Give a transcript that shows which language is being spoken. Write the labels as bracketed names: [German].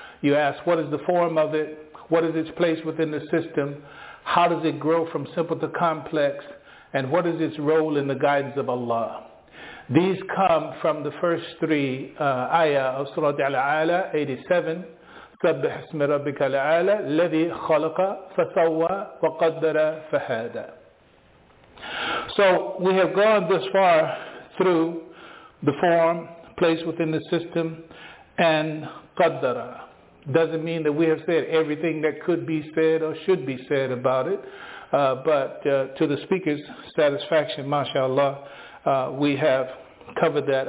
[English] You ask, what is the form of it? What is its place within the system? How does it grow from simple to complex? And what is its role in the guidance of Allah? These come from the first three ayah of Surah Al-A'la, 87. [Arabic] سبح اسم ربك الأعلى الذي خلق فسوى وقدر فهدى. [English] So we have gone this far through the form, place within the system, and qaddara. Doesn't mean that we have said everything that could be said or should be said about it, but to the speaker's satisfaction, mashallah, we have covered that.